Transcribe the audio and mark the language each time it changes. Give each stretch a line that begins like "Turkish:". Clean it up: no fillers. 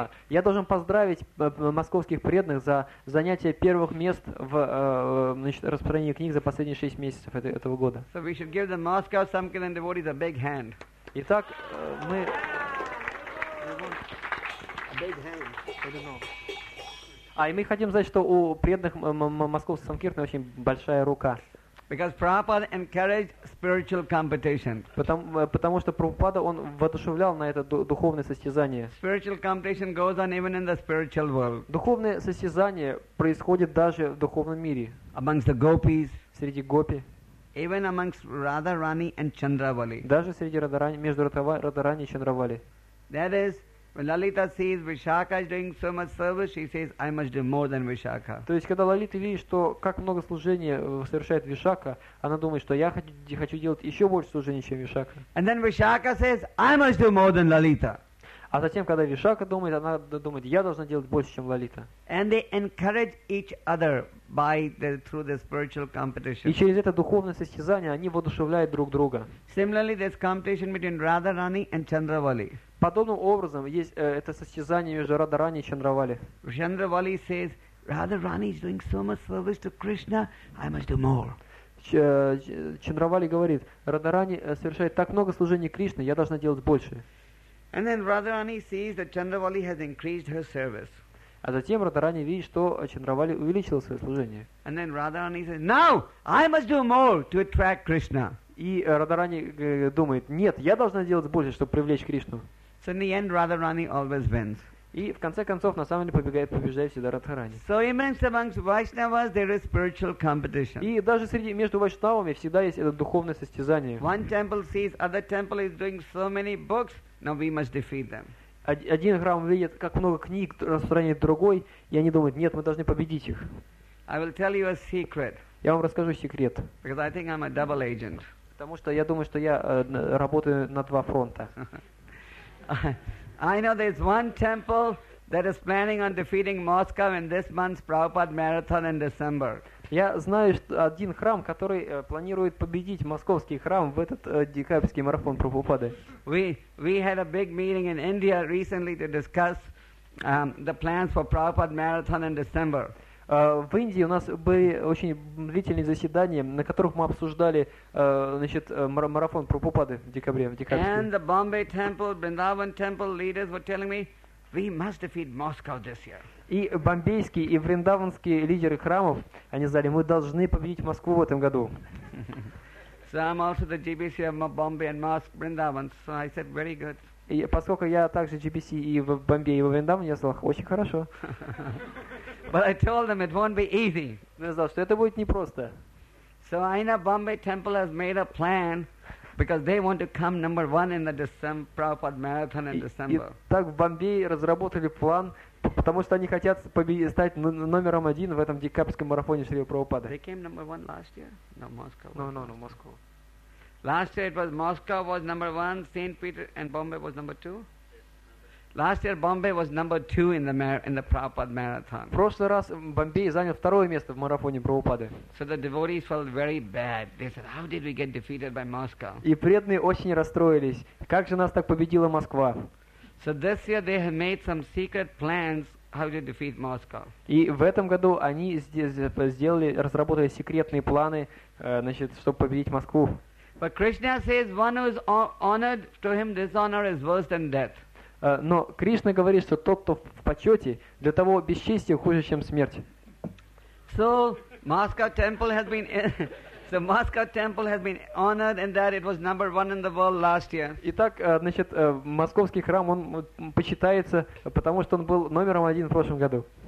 Russian: Я должен поздравить московских преданных за занятие первых мест в распространении книг за последние 6 месяцев этого года.
English: So we should give the Moscow Samkirtan devotees a big hand.
Russian: Итак, мы...
English: A big hand. I don't know.
Russian: А, и мы хотим знать, что у преданных московских Самкиртан очень большая рука.
English: Because Prabhupada encouraged spiritual competition.
Russian: Потому что Прабхупада он воодушевлял на это духовное состязание.
English: Spiritual competition goes on even in the spiritual world.
Russian: Духовное состязание происходит даже в духовном мире.
English: Amongst the gopis.
Russian: Среди гопи.
English: Even amongst Radharani and Chandravali.
Russian: Даже среди Радарани, между Радарани и Чандравали.
English: That is. When Lalita sees Vishakha is doing so much service, she says, "I must do more than Vishakha."
Russian: То есть, когда Лалита видит, что как много служения совершает Вишакха, она думает, что я хочу делать еще больше служения, чем Вишакха.
English: And then Vishakha says, "I must do more than Lalita."
Russian: А затем, когда Вишакха думает, она думает, я должна делать больше, чем Лалита.
English: And they encourage each other through the spiritual competition.
Russian: И через это духовное состязание они воодушевляют друг друга.
English: Similarly, there's competition between Radharani and Chandravali.
Russian: Подобным образом есть это состязание между Радарани и Чандравали.
English: Чандравали says, Radharani is doing so much service to Krishna, I must do more.
Russian: Чандравали говорит, Радарани совершает так много служений Кришне, я должна делать больше.
English: And then Radharani sees that Chandravali has increased her service.
Russian: А затем Радарани видит, что Чандравали увеличила свое служение.
English: And then Radharani says, no, I must do more to attract Krishna.
Russian: И Радарани думает, нет, я должна делать больше, чтобы привлечь Кришну.
English: So in the end, Radharani always wins.
Russian: И в конце концов, на самом деле, побеждает всегда Радхарани.
English: So amongst Vaishnavas, there is spiritual competition.
Russian: И даже среди между вайшнавами всегда есть это духовное состязание.
English: One temple sees other temple is doing so many books, now we must defeat them.
Russian: Один храм видит, как много книг распространяет другой, и они думают, нет, мы должны победить их.
English: I will tell you a secret.
Russian: Я вам расскажу секрет.
English: Because I think I'm a double agent.
Russian: Потому что я думаю, что я работаю на два фронта.
English: I know there's one temple that is planning on defeating Moscow in this month's Prabhupada Marathon in December.
Russian: Я знаю, что один храм, который планирует победить московский храм в этот декабрьский марафон Прабхупады.
English: We had a big meeting in India recently to discuss the plans for Prabhupada Marathon in December.
Russian: В Индии у нас были очень длительные заседания, на которых мы обсуждали марафон Прабхупады в декабре.
English: And the Bombay temple, Vrindavan temple leaders were telling me, we must defeat Moscow this year.
Russian: И бомбейские, и вриндаванские лидеры храмов, они сказали, мы должны победить Москву в этом году.
English: So I'm also the GBC of Bombay and Mosque, Vrindavan, so I said, very good.
Russian: И поскольку я также GBC и в Бомбее, и в Вриндаване, я сказал, очень хорошо.
English: But I told them it won't be easy.
Russian: Я сказал, что это будет непросто.
English: So I know Bombay Temple has made a plan because they want to come number one in the December Prabhupada Marathon in December.
Russian: И так в Бомбее разработали план потому что они хотят победить, стать номером один в этом декабрьском марафоне Шрилы Прабхупады.
English: They came number one last year. No, Moscow. No, Moscow. Last year it was Moscow was number one, Saint Peter and Bombay was number two. Last year Bombay was number two in the Prabhupada marathon.
Russian: В прошлый раз Бомбей занял второе место в марафоне Прабхупады.
English: So the devotees felt very bad. They said, "How did we get defeated by Moscow?"
Russian: И преданные очень расстроились. Как же нас так победила Москва?
English: So this year they have made some secret plans how to defeat Moscow.
Russian: И в этом году они сделали, разработали секретные планы, значит, чтобы победить Москву.
English: But Krishna says, "One who is honored to him, dishonor is worse than death."
Russian: Но Кришна говорит, что тот, кто в почете, для того бесчестие хуже, чем смерть.
English: So Moscow temple has been so Moscow temple has been honored in that it was number one in the world last year.
Russian: Итак, значит, московский храм он почитается, потому что он был номером один в прошлом году.